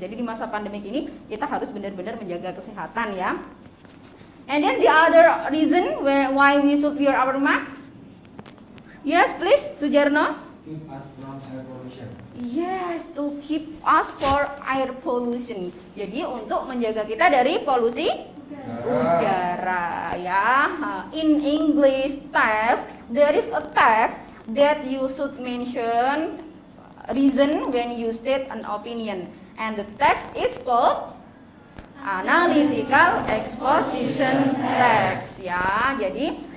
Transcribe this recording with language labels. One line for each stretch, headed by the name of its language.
Indonesian: Jadi di masa pandemik ini kita harus benar-benar menjaga kesehatan ya.
English: And then the other reason why we should wear our mask? Yes, please, Sujarno. Keep us from air pollution. Yes, to keep us for air pollution.
Indonesian: Jadi untuk menjaga kita dari polusi udara ya.
English: In English text, there is a text that you should mention reason when you state an opinion, and the text is called analytical exposition text
Indonesian: ya. Jadi